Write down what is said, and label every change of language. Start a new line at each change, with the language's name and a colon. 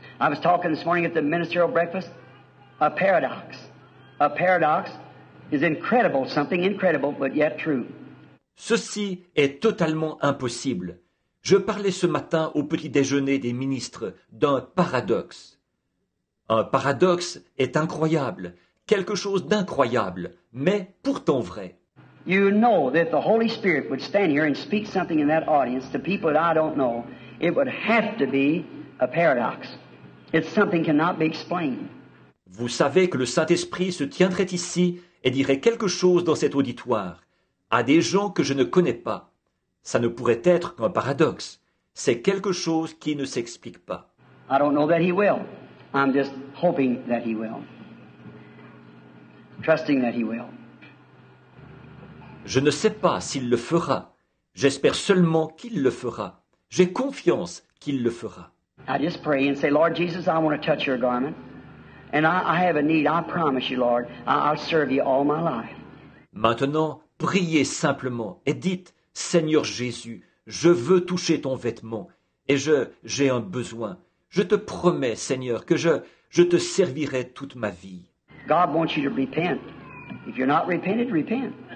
English: I was talking this morning at the ministerial breakfast. A paradox. A paradox is incredible, something incredible, but yet true.
French: Ceci est totalement impossible. Je parlais ce matin au petit déjeuner des ministres d'un paradoxe. Un paradoxe est incroyable, quelque chose d'incroyable, mais pourtant vrai.
English: You know that the Holy Spirit would stand here and speak something in that audience to people that I don't know. It would have to be a paradox. It's something cannot be explained.
French: Vous savez que le Saint-Esprit se tiendrait ici et dirait quelque chose dans cet auditoire à des gens que je ne connais pas. Ça ne pourrait être qu'un paradoxe. C'est quelque chose qui ne s'explique pas.
English: I don't know that he will. I'm just hoping that he will. Trusting that he will.
French: Je ne sais pas s'il le fera. J'espère seulement qu'il le fera. J'ai confiance qu'il le fera.
English: I just pray and say, Lord Jesus, I want to touch your garment. And I have a need, I promise you, Lord, I'll serve you all my life.
French: Maintenant, priez simplement et dites, Seigneur Jésus, je veux toucher ton vêtement et j'ai un besoin. Je te promets, Seigneur, que je te servirai toute ma vie.
English: God wants you to repent. If you're not repented, repent.